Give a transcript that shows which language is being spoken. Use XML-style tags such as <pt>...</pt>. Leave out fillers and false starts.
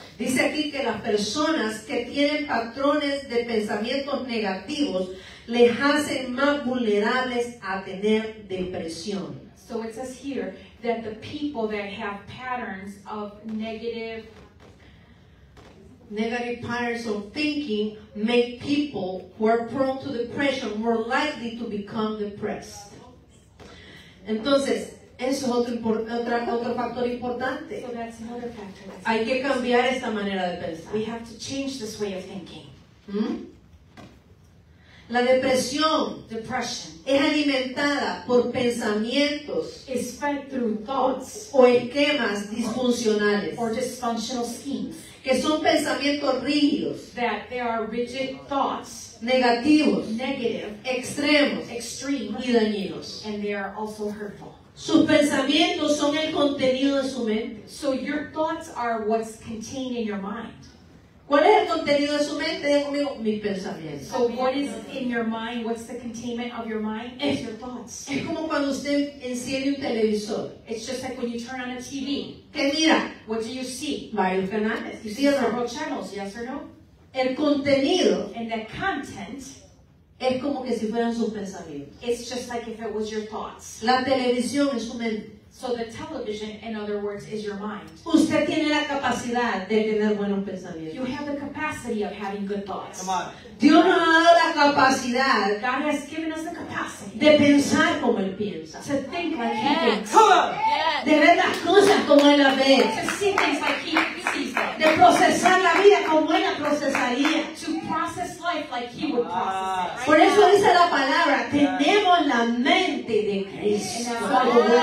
<es>Dice aquí que las personas que tienen patrones de pensamientos negativos les hacen más vulnerables a tener depresión.</es> <en>So it says here that the people that have patterns of negative patterns of thinking make people who are prone to depression more likely to become depressed.</en> <es>Entonces, eso es otro factor importante.</es> <en>So that's another factor.</en> <es>Hay que cambiar esta manera de pensar.</es> <en>We have to change this way of thinking.</en> <es>La depresión,</es> <en>depression,</en> <es>es alimentada por pensamientos,</es> <en>is fed through thoughts,</en> <es>o esquemas disfuncionales,</es> <en>or dysfunctional schemes,</en> <es>que son pensamientos rígidos,</es> <en>that they are rigid thoughts,</en> <es>negativos,</es> <en>negative,</en> <es>extremos,</es> <en>extreme,</en> <es>y dañinos,</es> <en>and they are also hurtful.</en> <es>Sus pensamientos son el contenido de su mente.</es> <en>So your thoughts are what's contained in your mind.</en> <es>¿Cuál es el contenido de su mente? Deja conmigo mi pensamiento.</es> <en>So what is in your mind? What's the containment of your mind? It's your thoughts.</en> <es>Es como cuando usted enciende un televisor.</es> <en>It's just like when you turn on a TV.</en> <es>¿Qué mira?</es> <en>What do you see?</en> <es>Varios canales.</es> <en>You see several channels, yes or no?</en> <es>El contenido.</es> <en>And the content.</en> <es>Es como que si fueran sus pensamientos.</es> <en>It's just like if it was your thoughts.</en> <es>La televisión es su mente.</es> <en>So the television, in other words, is your mind.</en> <es>Usted tiene la capacidad de tener buenos pensamientos.</es> <en>You have the capacity of having good thoughts.</en> <es>Dios nos ha dado la capacidad.</es> <en>God has given us the capacity.</en> <es>De pensar como Él piensa.</es> <en>To think like He thinks.</en> <es>De ver las cosas como Él las ve.</es> <en>To see things like He sees them.</en> <es>De procesar la vida como Él la procesaría.</es> <en>To process life like He would process it.</en> <es>Por eso dice la palabra, tenemos la mente de Cristo.</es>